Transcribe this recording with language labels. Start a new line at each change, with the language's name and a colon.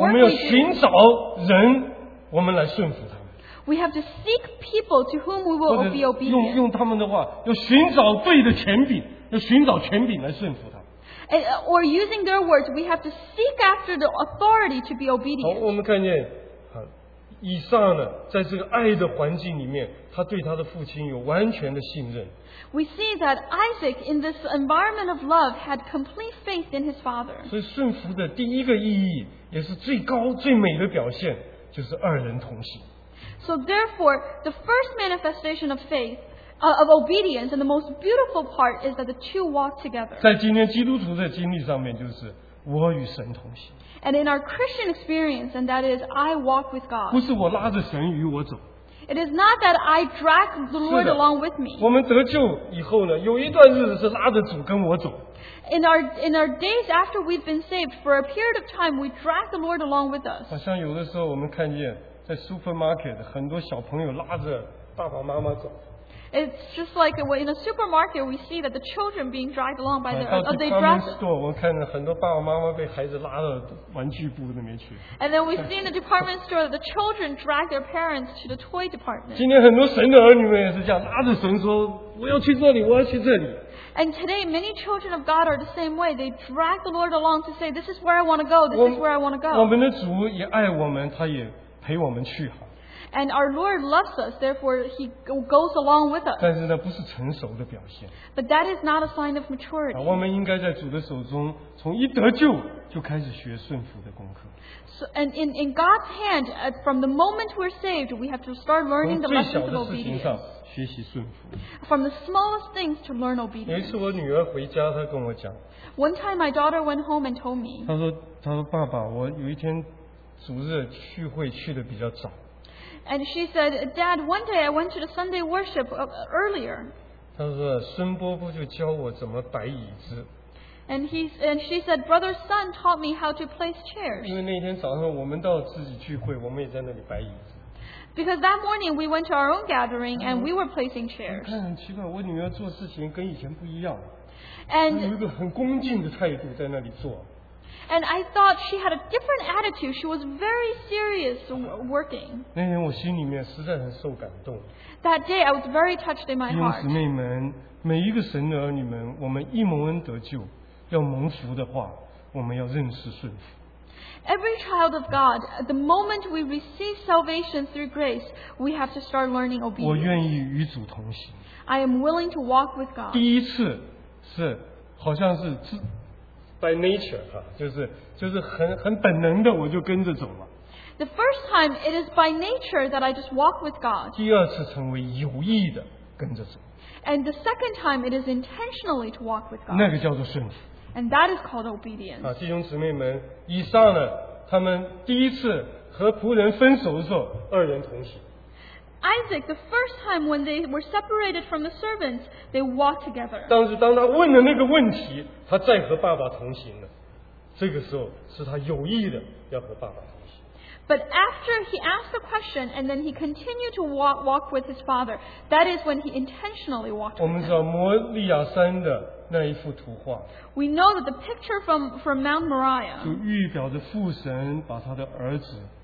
Chinese: 我们要寻找人，我们来顺服他。
English: We have to seek people to whom we will be obedient.
Chinese: 用他们的话，要寻找对的权柄，要寻找权柄来顺服他。
English: Or using their words, we have to seek after the authority to be obedient.
Chinese: 好，我们看见，以撒呢，在这个爱的环境里面，他对他的父亲有完全的信任。
English: We see that Isaac, in this environment of love, had complete faith in his father.
Chinese: 所以顺服的第一个意义，也是最高最美的表现，就是二人同行。
English: So therefore, the first manifestation of faith, of obedience, and the most beautiful part is that the two walk together.
Chinese: 在今天基督徒的经历上面，就是我与神同行。
English: And in our Christian experience, and that is, I walk with God.
Chinese: 不是我拉着神与我走。
English: It is not that I drag the Lord along with me.
Chinese: 我们得救以后呢，有一段日子是拉着主跟我走。
English: In our days after we've been saved, for a period of time, we drag the Lord along with us.
Chinese: 好像有的时候我们看见。在 supermarket 很多小朋友拉着爸爸妈妈走。
English: It's just like in a supermarket we see that the children being dragged along by their they dress.
Chinese: Store, 我看到很多爸爸妈妈被孩子拉到玩具部那边去。
English: And then we see in the department store that the children drag their parents to the toy department.
Chinese: 今天很多神的儿女们也是这样，拉着神说我要去这里，我要去这里。
English: And today, many children of God are the same way. They drag the Lord along to say, "This is where I want to go. This is where I want to go."
Chinese: 我们的主也爱我们，他也。陪我们去哈。
English: And our Lord loves us, therefore He goes along with us.
Chinese: 但是呢，不是成熟的表现。
English: But that is not a sign of maturity.
Chinese: 我们应该在主的手中，从一得救就开始学顺服的功课。
English: So, and in God's hand, from the moment we're saved, we have to start learning the lessons of obedience.
Chinese: 从最小的事情上学习顺服。
English: From the smallest things to learn obedience.
Chinese: 有一次我女儿回家，她跟我讲。
English: One time, my daughter went home and told me.
Chinese: 她说爸爸，我有一天。主日聚会去的比较早。
English: And she said, Dad, one day I went to the Sunday worship earlier.
Chinese: 他说孙伯伯就教我怎么摆椅子。
English: And she said, Brother's son taught me how to place chairs.
Chinese: 因为那天早上我们到自己聚会，我们也在那里摆椅子。
English: Because that morning we went to our own gathering and we were placing chairs.
Chinese: 看很奇怪，我女儿做事情跟以前不一样。
English: And
Chinese: 有一个很恭敬的态度在那里做。
English: And I thought she had a different attitude. She was very serious working.
Chinese: 那天我心里面实在很受感动。
English: That day I was very touched in my heart.
Chinese: 弟兄姊妹们，每一个神的儿女们，我们一蒙恩得救，要蒙福的话，我们要认识顺服。
English: Every child of God, the moment we receive salvation through grace, we have to start learning obedience.
Chinese: 我愿意与主同行。
English: I am willing to walk with God.
Chinese: 第一次是好像是自。
English: By nature,
Chinese: 就是很本能的，我就跟着走了。
English: The first time, it is by nature that I just walk with God.
Chinese: 第二次成为有意的跟着走。
English: And the second time, it is intentionally to walk with God.
Chinese: 那个叫做顺服。
English: And that is called obedience.
Chinese: 弟兄姊妹们，以撒呢，他们第一次和仆人分手的时候，二人同行。
English: Isaac, the first time when they were separated from the servants, they walked together.
Chinese: 但是当他问了那个问题，他再和爸爸同行了。这个时候是他有意的要和爸爸同行。
English: But after he asked the question and then he continued to walk with his father, that is when he intentionally walked with him.
Chinese: 我们知道摩利亚山的那一幅图画。
English: We know that the picture from Mount Moriah.
Chinese: 就预表着父神把他的儿子